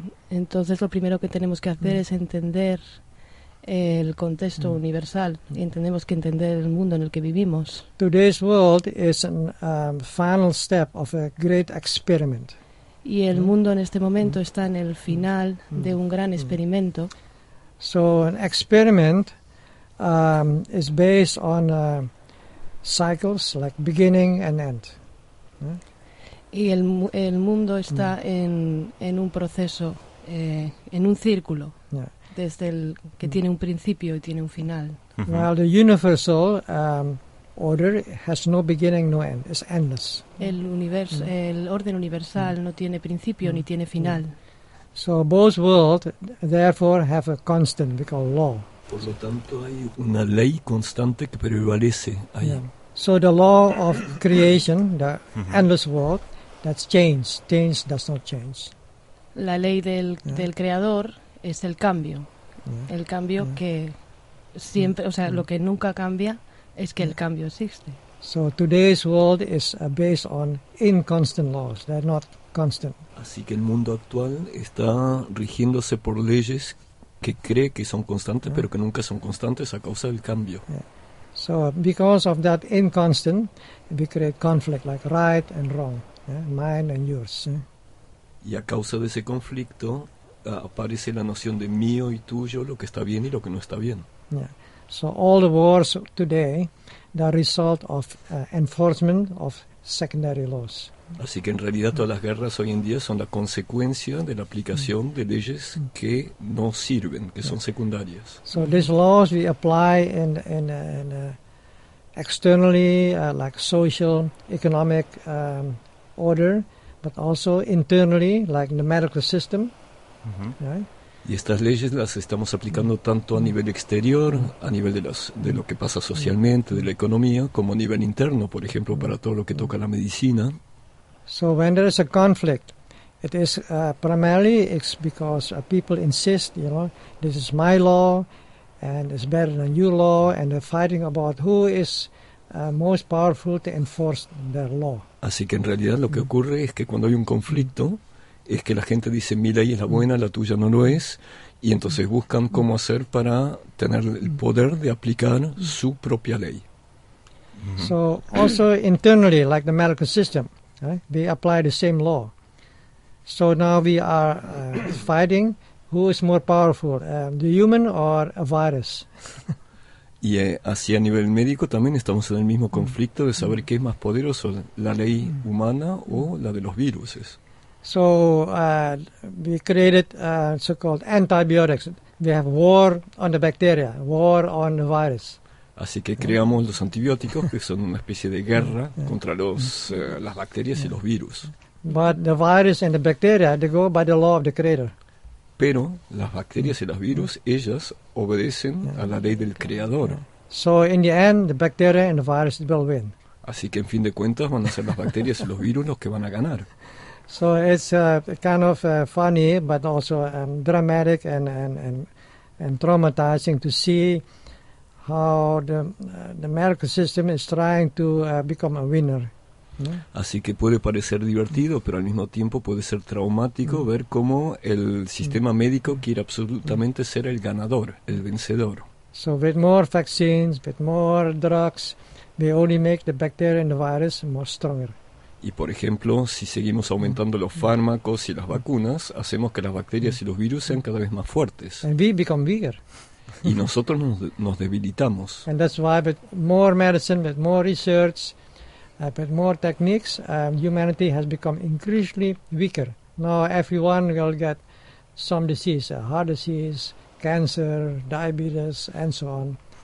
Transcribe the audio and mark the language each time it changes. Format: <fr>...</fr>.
<es>Entonces lo primero que tenemos que hacer es entender el contexto universal, y tenemos que entender el mundo en el que vivimos.</es> <en>Today's world is a final step of a great experiment.</en> <es>Y el mundo en este momento está en el final de un gran experimento.</es> <en>So an experiment is based on cycles like beginning and end.</en> <es>Y el mundo está en un proceso, en un círculo, desde el que tiene un principio y tiene un final.</es> <en>Well, the universal order has no beginning, no end. It's endless.</en> <es>El universo, el orden universal no tiene principio ni tiene final.</es> <en>So both worlds, therefore, have a constant, we call law.</en> <es>Por lo tanto, hay una ley constante que prevalece ahí.</es> <en>Yeah. So the law of creation, the endless world, that's change. Change does not change.</en> <es>La ley del creador es el cambio. Yeah. El cambio que siempre, o sea, lo que nunca cambia es que el cambio existe.</es> <en>So today's world is based on inconstant laws. They're not constant.</en> <es>Así que el mundo actual está rigiéndose por leyes que cree que son constantes, pero que nunca son constantes a causa del cambio.</es> <en>Yeah. So because of that inconstant, we create conflict like right and wrong, mine and yours.</en> <es>Y a causa de ese conflicto aparece la noción de mío y tuyo, lo que está bien y lo que no está bien.</es> <en>Yeah. So all the wars today, the result of enforcement of secondary laws.</en> <es>Así que en realidad todas las guerras hoy en día son la consecuencia de la aplicación de leyes que no sirven, que son secundarias.</es> <en>So these laws we apply in externally, like social, economic order, but also internally, like the medical system.</en> <es>Y estas leyes las estamos aplicando tanto a nivel exterior, a nivel de lo que pasa socialmente, de la economía, como a nivel interno, por ejemplo, para todo lo que toca la medicina.</es> <en>So when there is a conflict, it is primarily it's because people insist, you know, this is my law, and it's better than your law, and they're fighting about who is most powerful to enforce their law.</en> <es>Así que en realidad lo que ocurre es que cuando hay un conflicto, es que la gente dice mi ley es la buena, la tuya no lo es, y entonces buscan cómo hacer para tener el poder de aplicar su propia ley.</es> <en>So also internally, like the medical system. We apply the same law. So now we are fighting who is more powerful, the human or a virus.</en> <es>Y así a nivel médico también estamos en el mismo conflicto de saber qué es más poderoso, la ley humana o la de los virus.</es> <en>So we created so-called antibiotics. We have war on the bacteria, war on the virus.</en> <es>Así que creamos los antibióticos, que son una especie de guerra contra los las bacterias y los virus.</es> <en>But the virus and the bacteria, they go by the law of the creator.</en> <es>Pero las bacterias y los virus, ellas obedecen a la ley del creador.</es> <en>So in the end, the bacteria and the virus will win.</en> <es>Así que en fin de cuentas van a ser las bacterias y los virus los que van a ganar.</es> <en>So it's kind of funny, but also dramatic and traumatizing to see how the medical system is trying to become a winner.</en> <es>Así que puede parecer divertido, pero al mismo tiempo puede ser traumático ver cómo el sistema médico quiere absolutamente ser el ganador, el vencedor.</es> <en>So with more vaccines, with more drugs, we only make the bacteria and the virus more stronger.</en> <es>Y por ejemplo, si seguimos aumentando los fármacos y las vacunas, hacemos que las bacterias y los virus sean cada vez más fuertes.</es> <en>And we become bigger.</en> <es>Y nosotros nos debilitamos.</es> <en>And that's why with more medicine, with more research, with more techniques, humanity has become increasingly weaker. Now everyone will get some disease, heart disease, cancer, diabetes, and so on.</en>